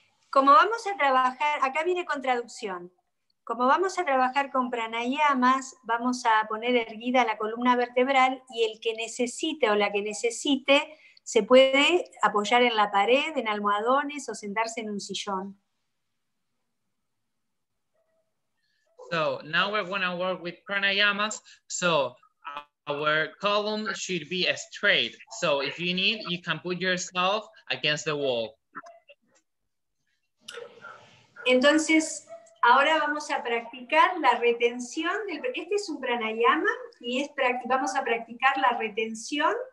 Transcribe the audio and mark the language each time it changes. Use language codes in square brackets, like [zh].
[es] Como vamos a trabajar, acá viene con traducción. Como vamos a trabajar con pranayamas, vamos a poner erguida la columna vertebral y el que necesite o la que necesite se puede apoyar en la pared, en almohadones o sentarse en un sillón. [en] So, now we're going to work with pranayamas. So, our column should be straight. So, if you need, you can put yourself against the wall. [es] Entonces, ahora vamos a practicar la retención del. Este es un pranayama y es vamos a practicar la retención.